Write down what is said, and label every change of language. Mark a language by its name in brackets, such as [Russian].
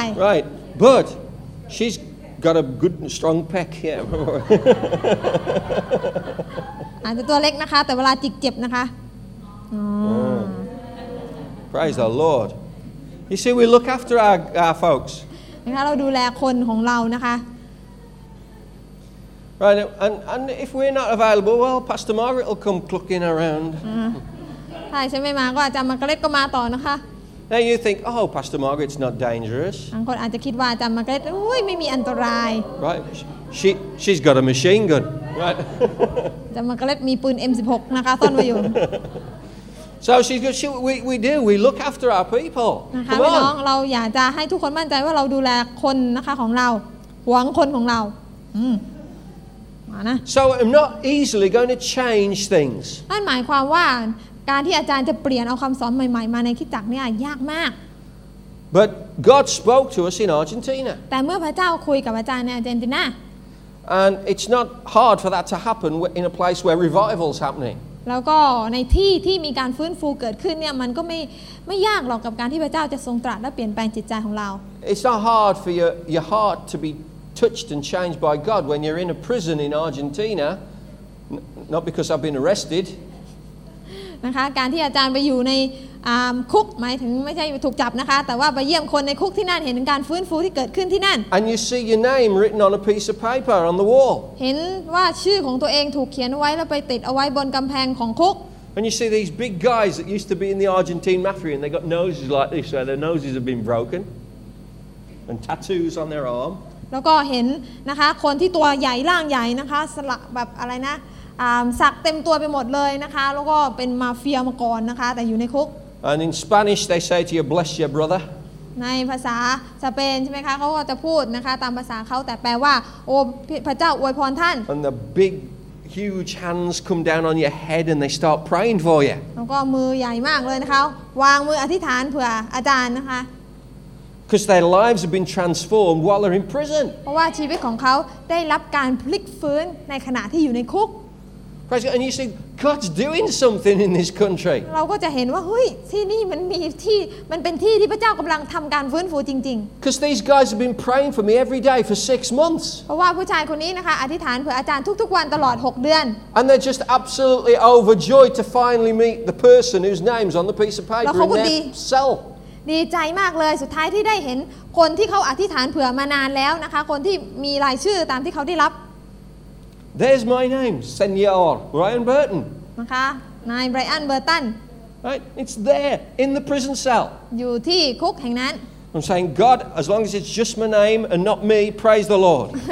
[English] Right but she's got a good strong peck here [Thai] อาจจะตัวเล็กนะคะแต่เวลาจิกเจ็บนะคะ [English] Praise the Lord. You see, we look after our folks. [Thai] เราดูแลคนของเรานะคะ [English] Right, and if we're not available, well, Pastor Margaret will come clucking around. [Thai] ถ้าฉันไม่มาก็อาจารย์มากรีดก็มาต่อนะคะ [English] Now you think, oh, Pastor Margaret's not dangerous. [Thai] บางคนอาจจะคิดว่าอาจารย์มากรีดอุ้ยไม่มีอันตราย [English] Right, she's got a machine gun. Right. [Thai] อาจารย์มากรีดมีปืน M16 นะคะซ่อนไว้อยู่ [English] So she's good. We look after our people. Come on. [Thai] น้องเราอยากจะให้ทุกคนมั่นใจว่าเราดูแลคนนะคะของเราหวังคนของเรามานะ [English] So I'm not easily going to change things. [Thai] นั่นหมายความว่าการที่อาจารย์จะเปลี่ยนเอาคำสอนใหม่ๆมาในคิดจักเนี่ยยากมาก [English] But God spoke to us in Argentina. [Thai] แต่เมื่อพระเจ้าคุยกับอาจารย์ในอาร์เจนตินา [English] And it's not hard for that to happen in a place where revival's happening. [Thai] แล้วก็ในที่ที่มีการฟื้นฟูเกิดขึ้นเนี่ยมันก็ไม่ยากหรอกกับการที่พระเจ้าจะทรงตรัสและเปลี่ยนแปลงจิตใจของเรา [English] It's not hard for your heart to be touched and changed by God when you're in a prison in Argentina not because I've been arrested [Thai] นะคะการที่อาจารย์ไปอยู่ในคุกหมายถึงไม่ใช่ถูกจับนะคะแต่ว่าไปเยี่ยมคนในคุกที่นั่นเห็นการฟื้นฟูที่เกิดขึ้นที่นั่น [English] And you see your name written on a piece of paper on the wall [Thai] เห็นว่าชื่อของตัวเองถูกเขียนไว้แล้วไปติดเอาไว้บนกำแพงของคุก [English] And you see these big guys that used to be in the Argentine mafia and they got noses like this where their noses have been broken and tattoos on their arm [Thai] แล้วก็เห็นนะคะคนที่ตัวใหญ่ร่างใหญ่นะคะสลักแบบอะไรนะสักเต็มตัวไปหมดเลยนะคะแล้วก็เป็นมาเฟียมาก่อนนะคะแต่อยู่ในคุก [English] And in Spanish they say to you bless your brother [Thai] ในภาษาสเปนใช่ไหมคะเขาก็จะพูดนะคะตามภาษาเขาแต่แปลว่าโอ้พระเจ้าอวยพรท่าน [English] And the big huge hands come down on your head and they start praying for you [Thai] แล้วก็มือใหญ่มากเลยนะคะวางมืออธิษฐานเผื่ออาจารย์นะคะ [English] Because their lives have been transformed while they're in prison [Thai] เพราะว่าชีวิตของเขาได้รับการพลิกฟื้นในขณะที่อยู่ในคุก [English] Praise God, and you see, God's doing something in this country. [Thai] เราก็จะเห็นว่าเฮ้ยที่นี่มันมีที่มันเป็นที่ที่พระเจ้ากำลังทำการฟื้นฟูจริงๆ [English] Because these guys have been praying for me every day for 6 months. [Thai] เพราะว่าผู้ชายคนนี้นะคะอธิษฐานเพื่ออาจารย์ทุกๆวันตลอด6 เดือน [English] And they're just absolutely overjoyed to finally meet the person whose name's on the piece of paper in their cell. [Thai] ดีใจมากเลยสุดท้ายที่ได้เห็นคนที่เขาอธิษฐานเผื่อมานานแล้วนะคะคนที่มีรายชื่อตามที่เขาได้รับ [English] There's my name, Senor Brian Burton. [Thai] นะคะ นาย Brian Burton. [English] Right, it's there in the prison cell. [Thai] อยู่ที่คุกแห่งนั้น [English] I'm saying, God, as long as it's just my name and not me, praise the Lord.